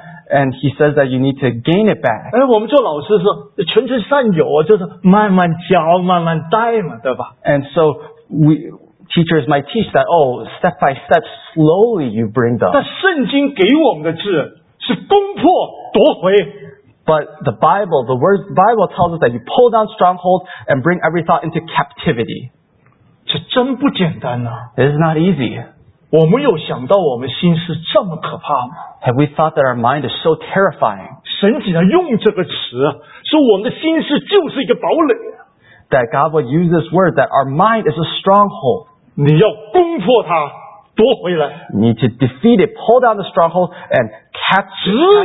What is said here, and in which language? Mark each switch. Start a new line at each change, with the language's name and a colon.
English: And he says that you need to gain it back.
Chinese: 我们做老师是全程善有，就是慢慢教，慢慢带嘛，对吧？
English: And so we... Teachers might teach that, oh, step by step, slowly you bring them.
Chinese: 但圣经给我们的字是攻破夺回。
English: But the Bible, the words, the Bible tells us that you pull down strongholds and bring every thought into captivity.
Chinese: 这真不简单啊。
English: This is not easy.
Chinese: 我们有想到我们心思这么可怕吗？
English: Have we thought that our mind is so terrifying?
Chinese: 神竟然用这个词，说我们的心思就是一个堡垒。
English: That God would use this word, that our mind is a stronghold.
Chinese: 你要攻破它, 夺回来。
English: You need to defeat it, pull down the stronghold, and capture